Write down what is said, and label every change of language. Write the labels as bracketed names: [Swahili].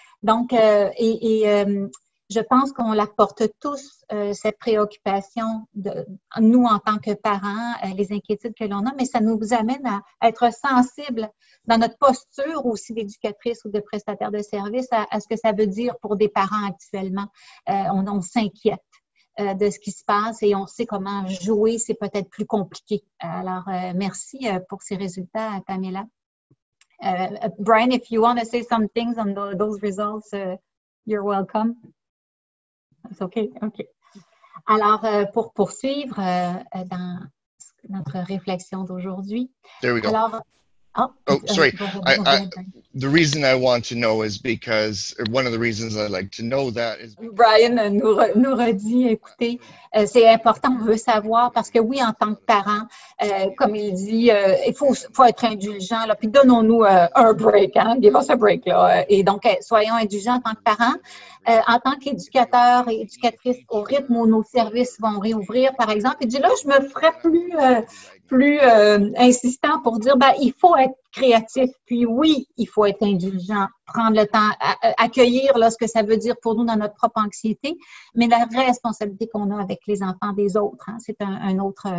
[French] Donc, je pense qu'on la porte tous, cette préoccupation de nous en tant que parents, les inquiétudes que l'on a, mais ça nous amène à être sensibles dans notre posture aussi d'éducatrice ou de prestataire de service à ce que ça veut dire pour des parents actuellement. On s'inquiète de ce qui se passe et on sait comment jouer, c'est peut-être plus compliqué. Alors, merci pour ces résultats, Pamela. [English] Brian, if you want to say some things on those results, you're welcome. It's okay, okay. [French] Alors, pour poursuivre dans notre réflexion d'aujourd'hui. [English] There we go. [French] Alors, [English] Sorry. The reason I want to know is because one of the reasons I like to know that is [French] Brian nous redit, écoutez, c'est important, on veut savoir parce que oui, en tant que parent, comme il dit, il faut être indulgent là, puis donnons-nous un break, hein, [English] give us a break [French] là, et donc soyons indulgents en tant que parent. En tant qu'éducateur et éducatrice, au rythme où nos services vont réouvrir, par exemple, il dit là, je me ferais plus insistant pour dire, ben, il faut être créatif, puis oui, il faut être indulgent, prendre le temps, accueillir là, ce que ça veut dire pour nous dans notre propre anxiété, mais la responsabilité qu'on a avec les enfants des autres, hein, c'est un autre...